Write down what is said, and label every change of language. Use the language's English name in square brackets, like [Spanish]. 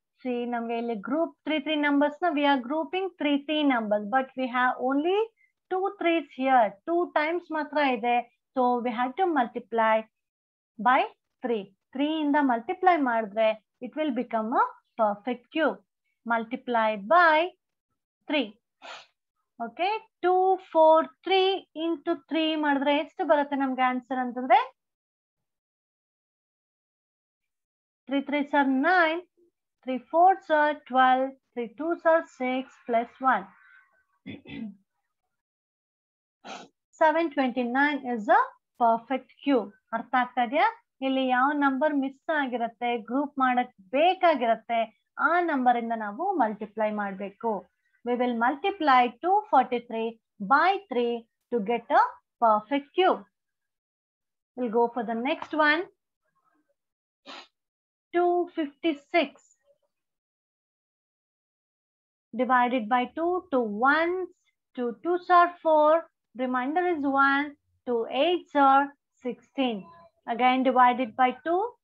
[English] see, [Kannada] ನಮ್ಗೆ ಇಲ್ಲಿ [English] Group three three numbers ನ we are grouping three three numbers, but we have only two threes here. Two times [Kannada] ಮಾತ್ರ ಇದೆ. [English] So we have to multiply by three. Three [Kannada] ಇಂದ [English] multiply [Kannada] ಮಾಡಿದ್ರೆ [English] It will become a perfect cube. Multiply by three. [Kannada] Okay, 2, 4, 3 × 3 ಮಾಡಿದ್ರೆ ಎಷ್ಟು ಬರುತ್ತೆ ನಮ್ಗೆ answer ಅಂತಂದ್ರೆ [English] 3, 3s are 9, 3, 4s are 12, 3, 2s are 6 plus 1. 729 is a perfect cube. [Kannada] ಅರ್ಥ ಆಗ್ತಾ ಇದೆಯಾ? ಇಲ್ಲಿ ಯಾವ ನಂಬರ್ ಮಿಸ್ ಆಗಿರುತ್ತೆ, ಗ್ರೂಪ್ ಮಾಡಕ್ ಬೇಕಾಗಿರುತ್ತೆ, ಆ ನಂಬರ್ ಇಂದ ನಾವು ಮಲ್ಟಿಪ್ಲೈ ಮಾಡ್ಬೇಕು. [English] We will multiply 243 by 3 to get a perfect cube. We'll go for the next one. 256 divided by 2, 2 1s, 2 2s are 4, remainder is 1, 2 8s are 16. Again divided by 2,